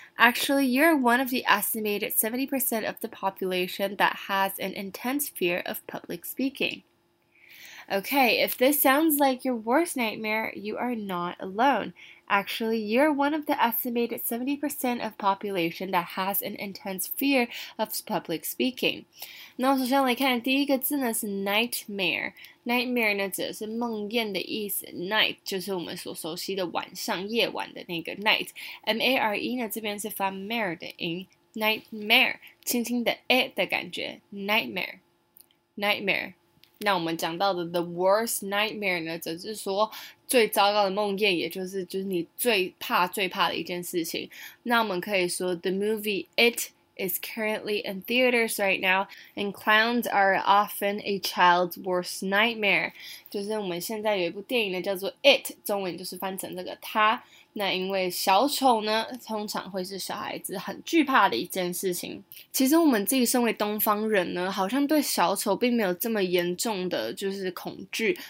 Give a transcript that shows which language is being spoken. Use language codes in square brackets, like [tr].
[en] Actually, you're one of the estimated 70% of the population that has an intense fear of public speaking. Okay, if this sounds like your worst nightmare, you are not alone. Actually, you're one of the estimated 70% of population that has an intense fear of public speaking. [zh] 那首先来看第一个字呢是 nightmare。Nightmare 呢指的是梦魇的意思 ，night 就是我们所熟悉的晚上、夜晚的那个 night。 M-A-R-E 呢这边是发 mare 的音 ，nightmare 轻轻的 a 的感觉 ，nightmare，nightmare。 [en] Nightmare。 [zh] 那我们讲到的 [en] the worst nightmare [zh] 呢，则是说最糟糕的梦魇，也就是你最怕最怕的一件事情。那我们可以说 [en] the movie It is currently in theaters right now, and clowns are often a child's worst nightmare. [zh] 就是我们现在有一部电影呢，叫做 It， 中文就是翻成这个它。那因为小丑呢通常会是小孩子很惧怕的一件事情。其实我们自己身为东方人呢，好像对小丑并没有这么严重的就是恐惧。